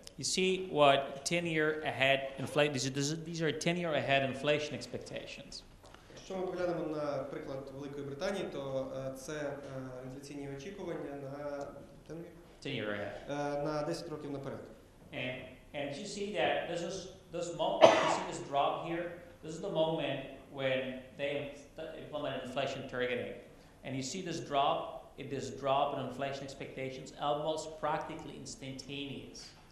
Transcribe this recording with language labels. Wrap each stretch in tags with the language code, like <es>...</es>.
<en>You see what 10 year ahead inflation, these are 10 year ahead inflation expectations.</en> <uk>Якщо ми поглянемо на приклад Великої Британії, то це інфляційні очікування на</uk> <en>10 year ahead.</en> <uk>На 10 років наперед.</uk> <en>And you see that this moment, you see this drop here, this is the moment when they implemented inflation targeting. And you see this drop in inflation expectations almost practically instantaneous.</en>